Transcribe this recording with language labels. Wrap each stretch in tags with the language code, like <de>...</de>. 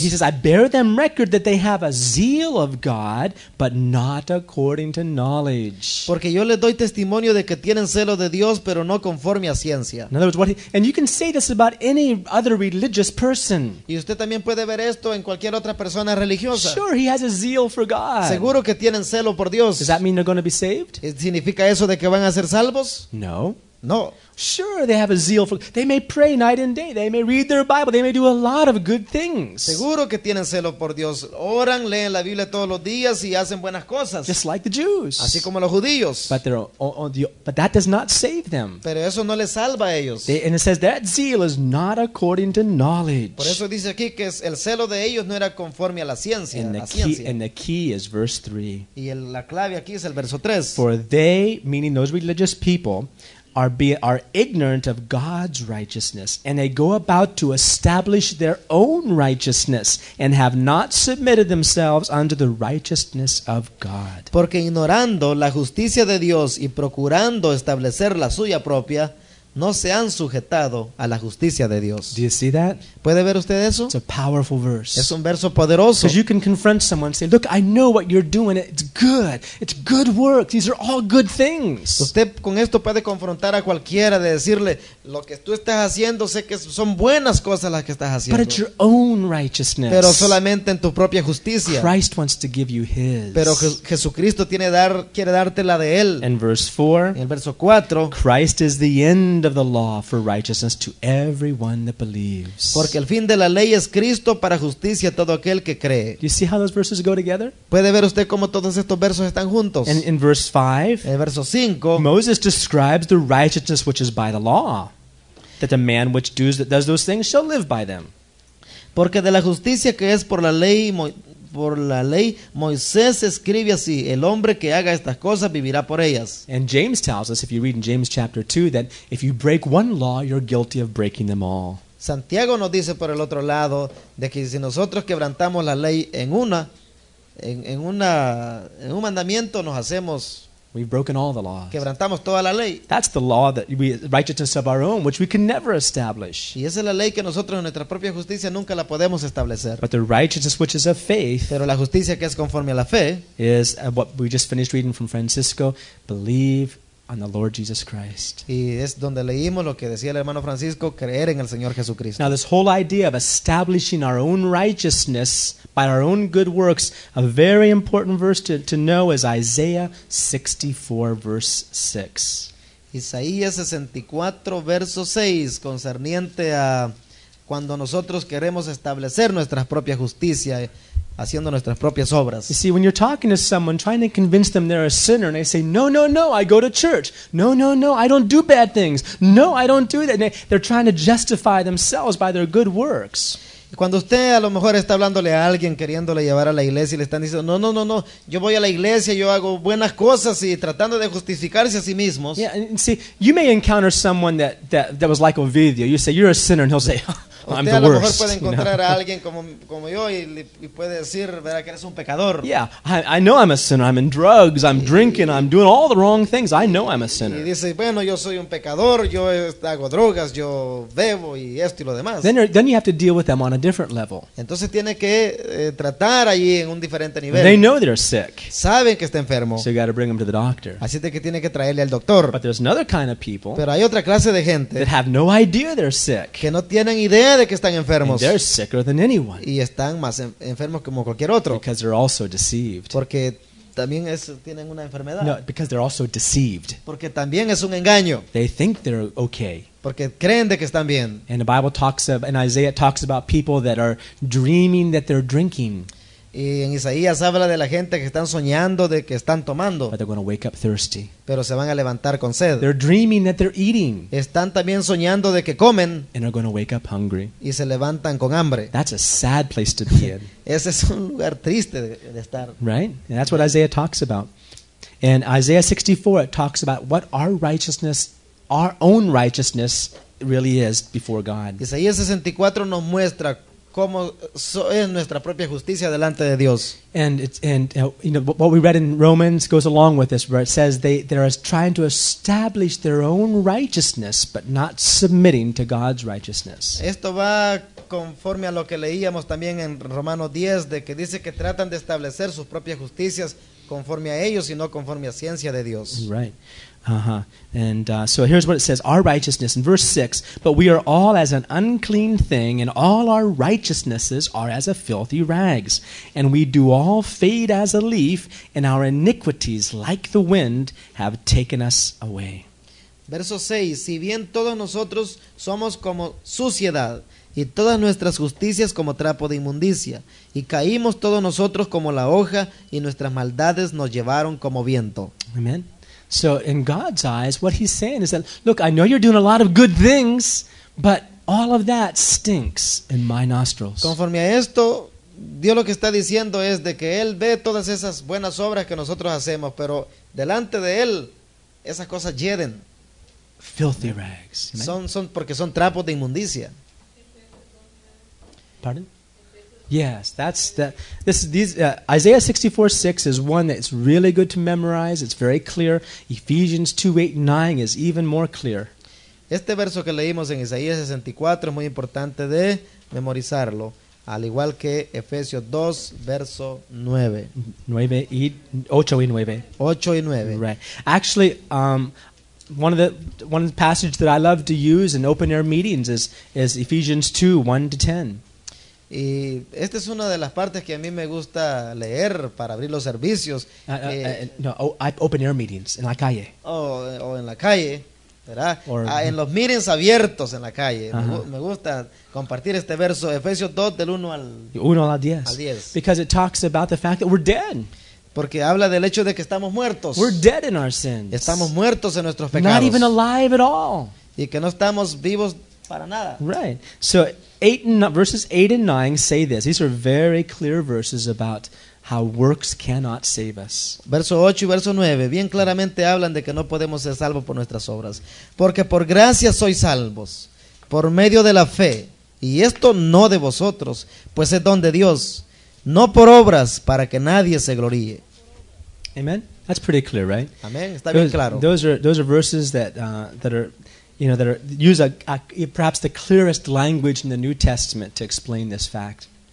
<en>he says, "I bear them record that they have a zeal of God, but not according to knowledge."</en> <es>Porque yo les doy testimonio de que tienen celo de Dios, pero no conforme a ciencia.</es> <en>In other words, and you can say this about any other religious person.</en> <es>Y usted también puede ver esto en cualquier otra persona religiosa.</es> <en>Sure, he has a zeal for God.</en> <es>Seguro que tienen celo por Dios.</es> <en>Does that mean they're going to be saved?</en> <es>¿Significa eso de que van a ser salvos?</es> <en>No.</en> <es>No.</es> <en>Sure, they have a zeal for. They may pray night and day. They may read their Bible. They may do a lot of good things.</en> <es>Seguro que tienen celo por Dios. Oran, leen la Biblia todos los días y hacen buenas cosas.</es> <en>Just like the Jews.</en> <es>Así como los judíos.</es> <en>But that does not save them.</en> <es>Pero eso no les salva a ellos.</es> <en>And it says that zeal is not according to knowledge.</en> <es>Por eso dice aquí que el celo de ellos no era conforme a la ciencia.</es> <en>And the key is verse 3.</en> <es>Y la clave aquí es el verso 3.</es> <en>For they, meaning those religious people, are ignorant of God's righteousness, and they go about to establish their own righteousness, and have not submitted themselves unto the righteousness of God.</en> <es>Porque ignorando la justicia de Dios y procurando establecer la suya propia, no se han sujetado a la justicia de Dios.</es> <en>Do you see that?</en> <es>¿Puede ver usted eso?</es> <en>It's a powerful verse.</en> <es>Es un verso poderoso.</es> <en>Because you can confront someone and say, look, I know what you're doing. It's good. It's good works. These are all good things.</en> <es>Usted con esto puede confrontar a cualquiera de decirle, lo que tú estás haciendo, sé que son buenas cosas las que estás haciendo.</es> <en>But it's your own righteousness.</en> <es>Pero solamente en tu propia justicia.</es> <en>Christ wants to give you his.</en> <es>Pero Jesucristo quiere darte la de él.</es> <en>In verse 4,</en> <es>en el verso 4,</es> <en>Christ is the end of the law for righteousness to everyone that believes.</en> <es>Porque el fin de la ley es Cristo para justicia a todo aquel que cree.</es> <en>Do you see how those verses go together?</en> <es>¿Puede ver usted cómo todos estos versos están juntos?</es> <en>And in verse 5,</en> <es>el verso 5,</es> <en>Moses describes the righteousness which is by the law, that the man which does those things shall live by them.</en> <es>Porque de la justicia que es por la ley, Moisés escribe así, el hombre que haga estas cosas vivirá por ellas.</es> <en>And James tells us, if you read in James chapter 2, that if you break one law, you're guilty of breaking them all.</en> <es>Santiago nos dice por el otro lado, de que si nosotros quebrantamos la ley en un mandamiento, nos hacemos...</es> <en>We've broken all the laws.</en> <es>Quebrantamos toda la ley.</es> <en>That's the law that we righteousness of our own, which we can never establish.</en> <es>Y esa es la ley que nosotros en nuestra propia justicia nunca la podemos establecer.</es> <en>But the righteousness which is of faith.</en> <es>Pero la justicia que es conforme a la fe.</es> <en>Is what we just finished reading from Francisco. Believe on the Lord Jesus Christ.</en> <es>Y es donde leímos lo que decía el hermano Francisco, creer en el Señor Jesucristo.</es> <en>Now this whole idea of establishing our own righteousness by our own good works, a very important verse to know is Isaiah 64, verse 6.</en> <es>Isaías 64, verso 6, concerniente a cuando nosotros queremos establecer nuestra propia justicia, haciendo nuestras propias obras.</es> <en>You see, when you're talking to someone, trying to convince them they're a sinner, and they say, no, no, no, I go to church. No, no, no, I don't do bad things. No, I don't do that. And they're trying to justify themselves by their good works.</en> <es>Cuando usted a lo mejor está hablándole a alguien queriéndole llevar a la iglesia y le están diciendo, "No, no, no, no, yo voy a la iglesia, yo hago buenas cosas" y tratando de justificarse a sí mismos.</es> <en>Yeah, and see, you may encounter someone that was like Ovidio. You say, "You're a sinner." And he'll say, "I'm the worst."</en> <es>A lo mejor puede encontrar a alguien como yo y puede decir, "Verá que eres un pecador."</es> <en>Yeah, I know I'm a sinner. I'm in drugs, I'm drinking, I'm doing all the wrong things. I know I'm a sinner.</en> <es>Y dice, "Bueno, yo soy un pecador, yo hago drogas, yo bebo y esto y lo demás."</es> <en>Then you have to deal with them on a different level.</en> <es>Entonces tiene que tratar allí en un diferente nivel.</es> <en>They know they're sick.</en> <es>Saben que está enfermo.</es> <en>So you got to bring them to the doctor.</en> <es>Así que tiene que traerle al doctor.</es> <en>But there's another kind of people.</en> <es>Pero hay otra clase de gente.</es> <en>That have no idea they're sick.</en> <es>Que no tienen idea de que están enfermos.</es> <en>And they're sicker than anyone.</en> <es>Y están más enfermos como cualquier otro.</es> <en>Because they're also deceived.</en> <es>Porque también es tienen una enfermedad.</es> <en>No, because they're also deceived.</en> <es>Porque también es un engaño.</es> <en>They think they're okay.</en> <es>Porque creen de que están bien.</es> <en>And the Bible talks of, and Isaiah talks about people that are dreaming that they're drinking.</en> <es>Y en Isaías habla de la gente que están soñando de que están tomando.</es> <en>But they're going to wake up thirsty.</en> <es>Pero se van a levantar con sed.</es> <en>They're dreaming that they're eating.</en> <es>Están también soñando de que comen.</es> <en>And are going to wake up hungry.</en> <es>Y se levantan con hambre.</es> <en>That's a sad place to be in.</en> <es>Ese es un lugar triste de estar.</es> <en>Right? And that's what Isaiah talks about. And Isaiah 64, it talks about what our righteousness, our own righteousness really is before God.</en> <es>Isaías 64 nos muestra cómo es nuestra propia justicia delante de Dios.</es> <en>And what we read in Romans goes along with this, where it says they're trying to establish their own righteousness, but not submitting to God's righteousness.</en> <es>Esto va conforme a lo que leíamos también en Romanos 10, de que dice que tratan de establecer sus propias justicias conforme a ellos y no conforme a ciencia de Dios.</es> <en>Right. Uh-huh. And so here's what it says, our righteousness in verse 6, but we are all as an unclean thing, and all our righteousnesses are as a filthy rags, and we do all fade as a leaf, and our iniquities, like the wind, have taken us away.</en> <es>Verso 6, si bien todos nosotros somos como suciedad, y todas nuestras justicias como trapo de inmundicia, y caímos todos nosotros como la hoja, y nuestras maldades nos llevaron como viento.</es> <en>Amen. So in God's eyes, what he's saying is that, look, I know you're doing a lot of good things, but all of that stinks in my nostrils.</en> <es>Conforme a esto, Dios lo que está diciendo es de que él ve todas esas buenas obras que nosotros hacemos, pero delante de él, esas cosas hieden.</es> <en>Filthy rags.</en> <es>Son porque son trapos de inmundicia.</es> <en>Pardon? Yes, Isaiah 64:6 is one that's really good to memorize. It's very clear. Ephesians 2:8-9 is even more clear.</en> <es>Este verso que leímos en Isaías 64 es muy importante de memorizarlo, al igual que Efesios 2 verso 9. 8 y 9.</es> <en>Right. Actually, one of the passages that I love to use in open air meetings is Ephesians 2:1-10.</en> <es>Y esta es una de las partes que a mí me gusta leer para abrir los servicios.</es> <en>Open air meetings,</en> <es>en la calle. O en la calle, ¿verdad? En los meetings abiertos en la calle. Uh-huh. Me gusta compartir este verso, Efesios 2, del 1 al 10.</es> <en>Because it talks about the fact that we're dead.</en> <es>Porque habla del hecho de que estamos muertos.</es> <en>We're dead in our sins.</en> <es>Estamos muertos en nuestros pecados.</es> <en>Not even alive at all.</en> <es>Y que no estamos vivos para nada.</es> <en>Right. So, verses 8 and 9 say this. These are very clear verses about how works cannot save us.</en> <es>Verso 8 y verso 9 bien claramente hablan de que no podemos ser salvos por nuestras obras. Porque por gracia sois salvos, por medio de la fe. Y esto no de vosotros, pues es don de Dios. No por obras, para que nadie se gloríe.</es> <en>Amen. That's pretty clear, right?</en> <es>Amen. Está bien claro.</es> <en>Those are verses that use perhaps the clearest language in the New Testament to explain this fact.</en>